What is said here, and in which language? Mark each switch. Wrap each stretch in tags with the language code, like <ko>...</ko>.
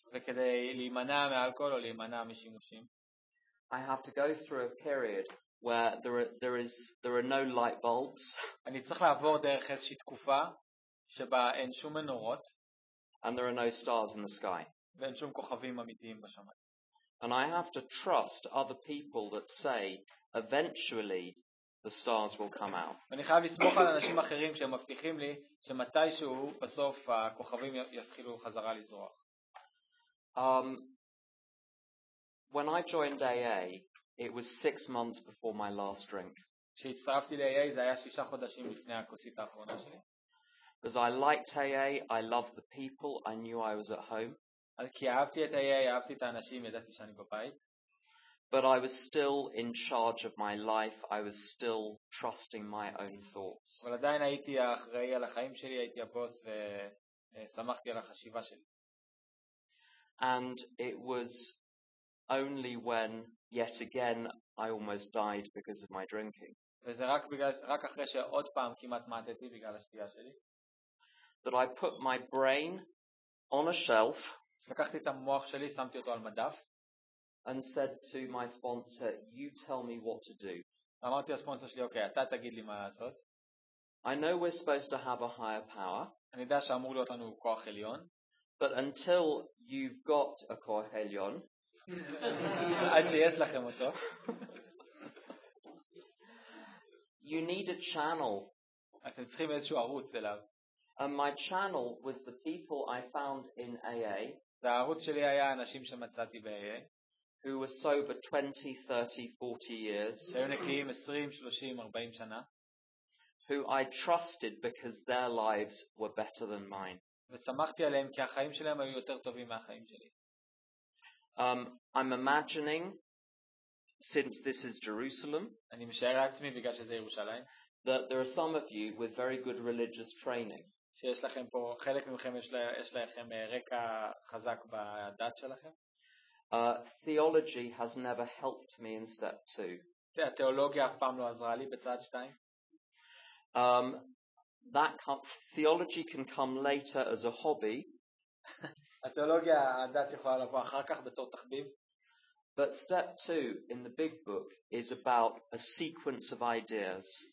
<he>וכדי להימנע מאלכוהול או להימנע משימושים,</he> <en>I have to go through a period where there are no light bulbs.</en> <he>אני צריך לעבור דרך איזושהי תקופה שבה אין שום מנורות.</he> <en>And there are no stars in the sky.</en> <he>ואין שום כוכבים אמיתיים בשמיים.</he> <en>And I have to trust other people that say eventually the stars will come out.</en> <he>ואני חייב לסמוך על אנשים אחרים שהם מבטיחים לי שמתישהו בסוף הכוכבים יתחילו חזרה לזרוח.</he> <en>When I joined AA, it was 6 months before my last drink.</en> <he>כשהצטרפתי ל-AA, זה היה 6 חודשים לפני הכוסית האחרונה שלי.</he> <en>Because I liked AA, I loved the people, I knew I was at home.</en> <he>אז כי אהבתי את AA, אהבתי את האנשים, ידעתי שאני בבית.</he> <en>But I was still in charge of my life, I was still trusting my own thoughts.</en> <he>אבל עדיין הייתי אחראי על החיים שלי, הייתי הבוס וסמכתי על החשיבה שלי.</he> <en>And it was only when yet again I almost died because of my drinking.</en> <he>וזה רק בגלל רק אחרי שעוד פעם כמעט מתתי בגלל השתייה שלי.</he> <en>That I put my brain on a shelf.</en> <he>לקחתי את המוח שלי, שמתי אותו על מדף.</he> <en>And said to my sponsor, "You tell me what to do."</en> <he>אמרתי לסponsor שלי, "Okay, אתה תגיד לי מה לעשות."</he> <en>I know we're supposed to have a higher power.</en> <he>אני יודע שאמור להיות לנו כוח עליון.</he> <en>But until you've got a</en> <he>כוח עליון, עד שיש לכם אותו,</he> <en>you need a channel.</en> <he>אתם צריכים איזשהו ערוץ אליו.</he> <en>And my channel was the people I found in AA.</en> <he>והערוץ שלי היה אנשים שמצאתי ב-AA.</he> <en>Who were sober 20, 30, 40 years.</en> <he>שהיו נקיים 20, 30, 40 שנה.</he> <en>Who I trusted because their lives were better than mine.</en> <he>וסמכתי עליהם כי החיים שלהם היו יותר טובים מהחיים שלי.</he> <en>I'm imagining, since this is Jerusalem,</en> <he>אני משער עצמי בגלל שזה ירושלים,</he> <en>that there are some of you with very good religious training.</en> <he>שיש לכם פה, חלק ממכם יש לכם רקע חזק בדת שלכם.</he> <en>Theology has never helped me in step 2.</en> <he>Yeah, תיאולוגיה אף פעם לא עזרה לי בצד 2.</he> <en>That theology can come later as a hobby.</en> <he>התיאולוגיה הדת יכולה לבוא אחר כך בתור תחביב.</he> <en>But step 2 in the big book is about a sequence of ideas.</en>